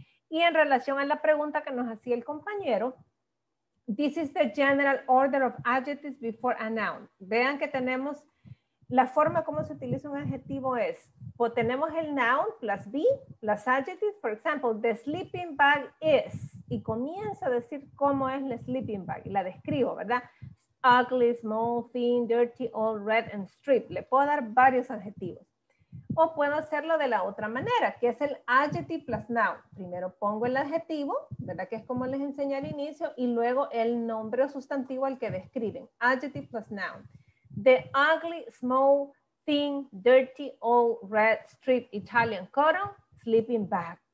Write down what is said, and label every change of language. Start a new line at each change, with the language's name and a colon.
Spanish: Y en relación a la pregunta que nos hacía el compañero,
English: this is the general order of adjectives before a noun.
Spanish: Vean que tenemos la forma como se utiliza un adjetivo es, pues tenemos el noun plus be, plus adjective, for example,
English: the sleeping bag is,
Spanish: y comienzo a decir cómo es la sleeping bag, y la describo, ¿verdad?
English: Ugly, small, thin, dirty, old, red, and stripped.
Spanish: Le puedo dar varios adjetivos. O puedo hacerlo de la otra manera, que es el adjective plus noun. Primero pongo el adjetivo, ¿verdad? Que es como les enseñé al inicio, y luego el nombre o sustantivo al que describen.
English: Adjective plus noun. The ugly, small, thin, dirty, old, red, stripped, Italian cotton, sleeping bag.